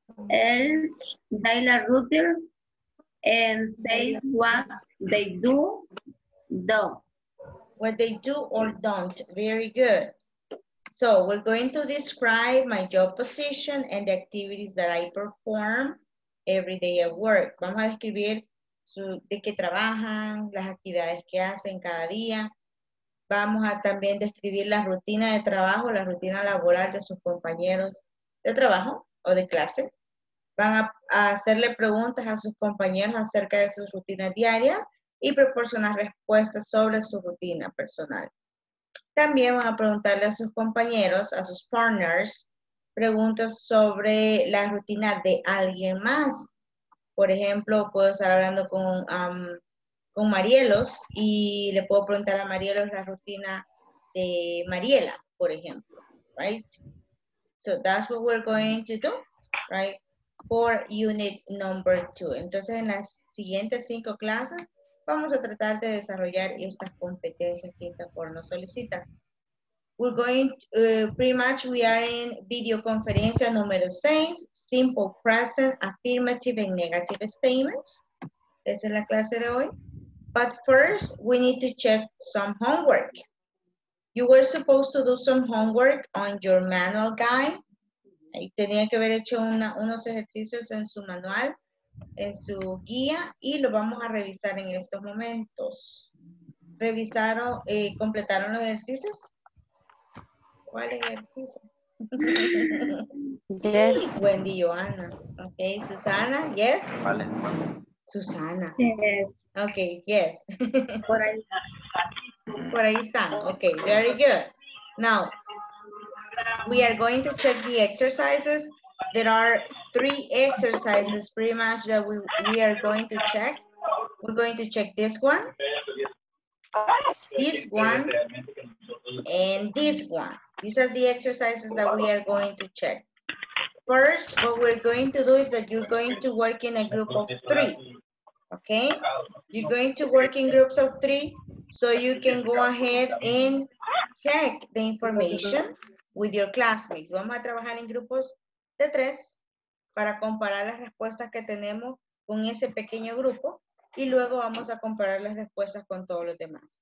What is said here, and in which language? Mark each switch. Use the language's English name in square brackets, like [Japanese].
[English] El daily routine and say what they do, don't. What they do or don't. Very good. So we're going to describe my job position and the activities that I perform every day at work. [Spanish] Vamos a describir de qué trabajan, las actividades que hacen cada día. Vamos a también describir la rutina de trabajo, la rutina laboral de sus compañeros de trabajo o de clase. Van a hacerle preguntas a sus compañeros acerca de sus rutinas diarias y proporcionar respuestas sobre su rutina personal. También van a preguntarle a sus compañeros, a sus partners, preguntas sobre la rutina de alguien más. Por ejemplo, puedo estar hablando con Marielos y le puedo preguntar a Marielos la rutina de Mariela, por ejemplo. [English] Right? So that's what we're going to do, right? For unit number 2. [Spanish] Entonces, en las siguientes 5 clases, vamos a tratar de desarrollar estas competencias que SAPOR nos solicita. [English] We're going to, pretty much we are in video conferencia número 6, simple present, affirmative and negative statements. [Spanish] Esa es la clase de hoy. [English] But first, we need to check some homework. You were supposed to do some homework on your manual guide. [Spanish] Ahí tenía que haber hecho unos ejercicios en su manual, en su guía, y lo vamos a revisar en estos momentos. ¿Revisaron, completaron los ejercicios? ¿Cuál ejercicio? [English] Yes. Wendy, Joana. Ok, Susana, yes. [Spanish] Vale. Susana. [English] Yes. Ok, yes. [Spanish] Por ahí está. Por ahí está. [English] Ok, very good. Now, we are going to check the exercises. There are 3 exercises pretty much that we are going to check. We're going to check this one, and this one. These are the exercises that we are going to check. First, what we're going to do is that you're going to work in a group of 3. Okay? You're going to work in groups of 3 so you can go ahead and check the information with your classmates. [Spanish] Vamos a trabajar en grupos de 3 para comparar las respuestas que tenemos con ese pequeño grupo y luego vamos a comparar las respuestas con todos los demás.